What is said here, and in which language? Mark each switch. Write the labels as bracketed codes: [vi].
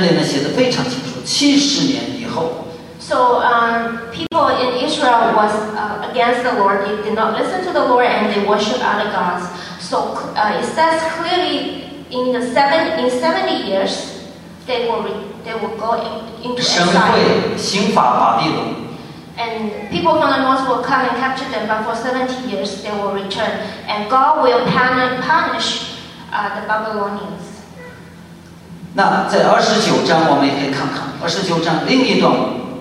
[zh] 这里呢，中文就是讲到呢，特别我们看到就是说，在这个耶利米先知呢说，因为以色列人呢拜别的偶像，拜假神，完了呢不听神的话，干很多坏事情呢，最后成就让北方的民族，就是从巴比伦那边过来的，要做这些事情。但是呢，神应许借着耶利米，这里呢写的非常清楚，70年以后。 [en] So people in Israel was against the Lord. They did not listen to the Lord and they worship other gods. So it says clearly in 70 years, they will go into exile. [zh] 神会刑罚巴比伦。 [en] And people from the north will come and capture them, but for 70 years they will return. And God will punish the Babylonians. [zh] 那在29章我们也可以看看，29章另一段。